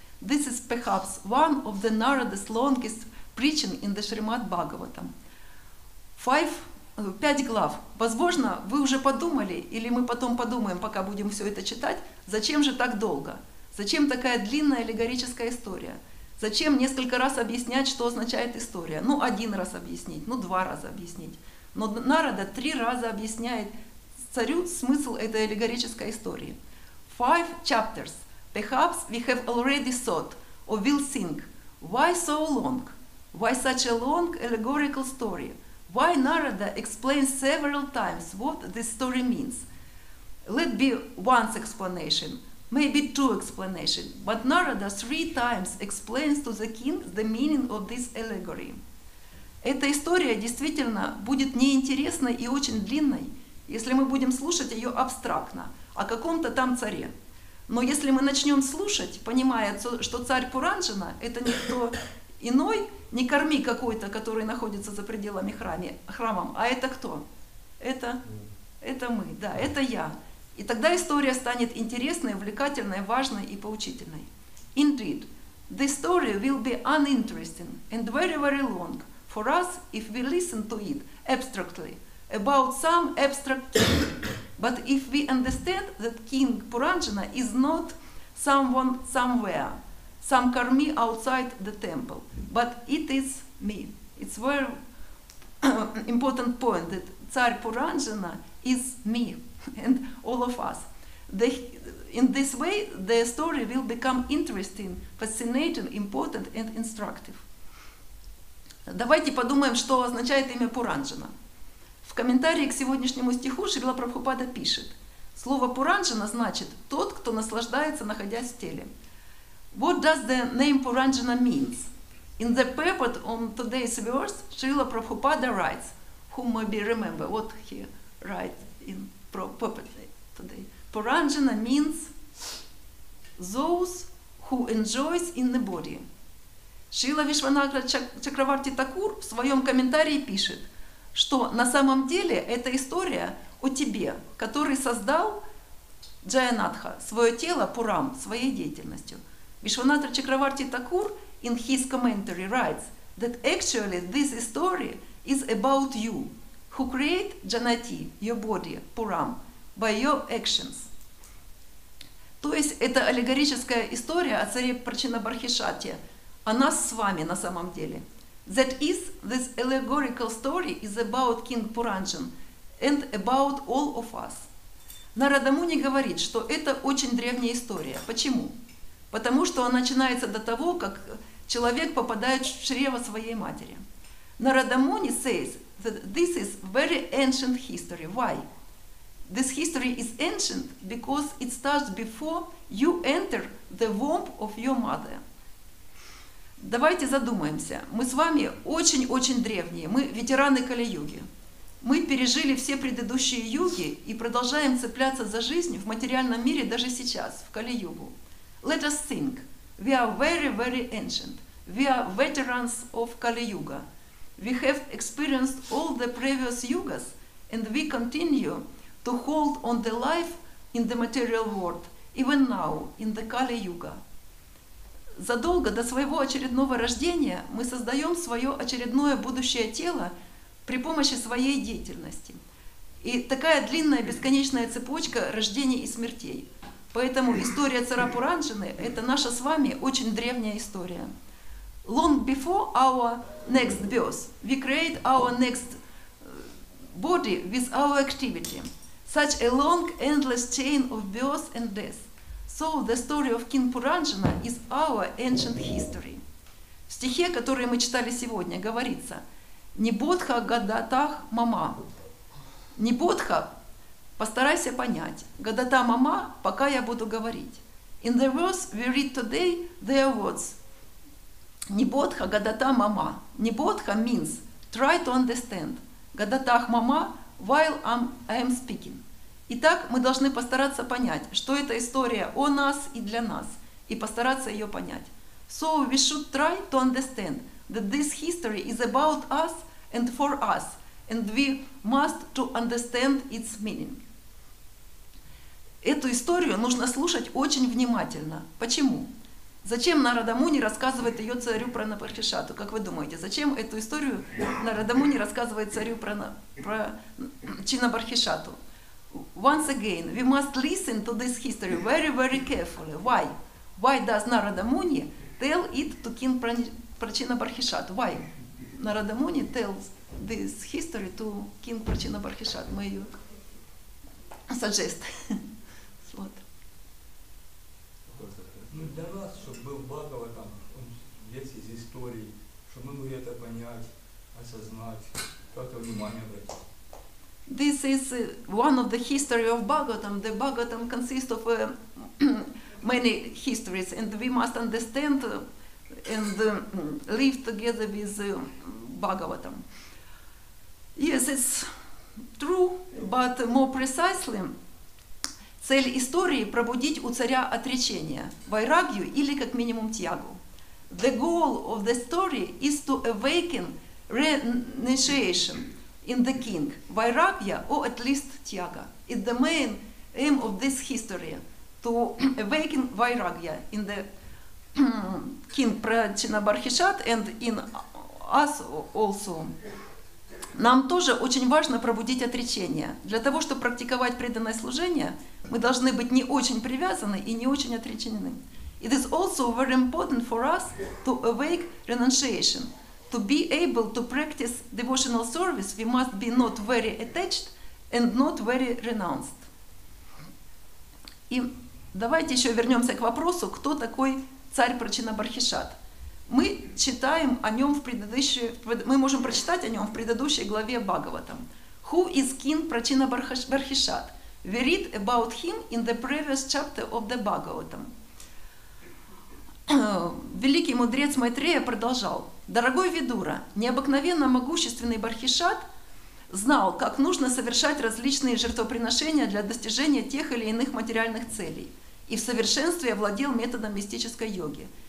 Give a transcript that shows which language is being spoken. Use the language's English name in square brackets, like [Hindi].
[English] This is perhaps one of the Narada's longest preaching in the Shrimad Bhagavatam. [Russian] Пять глав. Возможно, вы уже подумали, или мы потом подумаем, пока будем все это читать, зачем же так долго? Зачем такая длинная аллегорическая история? Зачем несколько раз объяснять, что означает история? Ну, один раз объяснить, ну, два раза объяснить. Но Нарада три раза объясняет царю смысл этой аллегорической истории. [English] Five chapters. Perhaps we have already thought or will think. Why so long? Why such a long allegorical story? Why Narada explains several times what this story means? Let be one explanation. Maybe two explanations, but Narada three times explains to the king the meaning of this allegory. [Russian] Эта история действительно будет неинтересной и очень длинной, если мы будем слушать ее абстрактно, о каком-то там царе. Но если мы начнем слушать, понимая, что царь Пуранджана – это никто иной, не корми какой-то, который находится за пределами храма, а это кто? Это мы, да, это я. И тогда история станет интересной, увлекательной, важной и поучительной. [English] Indeed, the story will be uninteresting and very, very long for us if we listen to it abstractly, about some abstract king. But if we understand that King Puranjana is not someone somewhere, some karmi outside the temple, but it is me. It's very important point that Tsar Puranjana is me. And all of us. In this way, the story will become interesting, fascinating, important and instructive. [Russian] Давайте подумаем, что означает имя Пуранджана. В комментарии к сегодняшнему стиху Шрила Прабхупада пишет, слово Пуранджана значит «тот, кто наслаждается, находясь в теле». [English] What does the name Пуранджана means? In the purport on today's verse, Шрила Прабхупада writes, whom maybe remember what he writes in today. Puranjana means those who enjoys in the body. [Russian] Шрила Вишванагра Чакраварти Такур в своем комментарии пишет, что на самом деле эта история о тебе, который создал Джаянатха, свое тело Пурам, своей деятельностью. [English] Вишванатра Чакраварти Такур in his commentary writes that actually this story is about you, who create Джанати, your body, Пурам, by your actions. [Russian] То есть это аллегорическая история о царе Парчинабархишате, о нас с вами на самом деле. [English] That is, this allegorical story is about King Puranjan and about all of us. [Russian] Нарада Муни говорит, что это очень древняя история. Почему? Потому что она начинается до того, как человек попадает в чрево своей матери. [English] Нарада Муни says that this is very ancient history. Why? This history is ancient because it starts before you enter the womb of your mother. [Russian] Давайте задумаемся. Мы с вами очень-очень древние. Мы ветераны Кали-юги. Мы пережили все предыдущие юги и продолжаем цепляться за жизнь в материальном мире даже сейчас, в Кали-югу. [English] Let us think. We are very, very ancient. We are veterans of Kali-yuga. We have experienced all the previous yugas and we continue to hold on the life in the material world, even now, in the Kali-yuga. [Russian] Задолго до своего очередного рождения мы создаем свое очередное будущее тело при помощи своей деятельности. И такая длинная бесконечная цепочка рождений и смертей. Поэтому история цара Пуранджаны – это наша с вами очень древняя история. [English] Long before our next birth, we create our next body with our activity. Such a long, endless chain of births and deaths. So the story of King Puranjana is our ancient history. [Russian] В стихе, который мы читали сегодня, говорится [Sanskrit] «Небодха гадатах мама». [Russian] Небодха, постарайся понять. Гадата мама, пока я буду говорить. [English] In the verse we read today, there was [Sanskrit] «Небодха гадата мама». [English] Небодха means «try to understand». Гадатах мама, while I'm speaking. [Russian] Итак, мы должны постараться понять, что эта история о нас и для нас, и постараться ее понять. [English] So we should try to understand that this history is about us and for us, and we must to understand its meaning. [Russian] Эту историю нужно слушать очень внимательно. Почему? Зачем Нарада Муни рассказывает ее царю Пранапархишату? Как вы думаете, зачем эту историю Нарада Муни рассказывает царю Пранапархишату? [English] Once again, we must listen to this history very, very carefully. Why? Why does Narada Muni tell it to King Parchinabarkhishat? Why? Narada Muni tells this history to King Parchinabarkhishat. May you suggest? Вот. [Russian] Ну, для нас, чтобы был Бхагава там, здесь из истории, чтобы мы могли это понять, осознать, как-то внимание обратить. [English] This is one of the history of Bhagavatam. The Bhagavatam consists of many histories, and we must understand and live together with Bhagavatam. Yes, it's true, but more precisely, [Russian] цель истории – пробудить у царя отречение, вайрагью или как минимум тьягу. [English] The goal of the story is to awaken renunciation in the king, vairagya, or at least tyaga. It's the main aim of this history, to awaken vairagya in the king Prachinabarkhishat and in us also. [Russian] Нам тоже очень важно пробудить отречение. Для того, чтобы практиковать преданное служение, мы должны быть не очень привязаны и не очень отречены. [English] It is also very important for us to awake renunciation. To be able to practice devotional service, we must be not very attached and not very renounced. [Russian] И давайте еще вернемся к вопросу, кто такой царь Парчинабархишат. Мы читаем о нем в предыдущей, мы можем прочитать о нем в предыдущей главе Бхагаватам. [English] Who is King Parchinabarkhishat? We read about him in the previous chapter of the Bhagavatam. [Russian] Великий мудрец Майтрея продолжал. Дорогой Видура, необыкновенно могущественный Бархишат знал, как нужно совершать различные жертвоприношения для достижения тех или иных материальных целей, и в совершенстве овладел методом мистической йоги.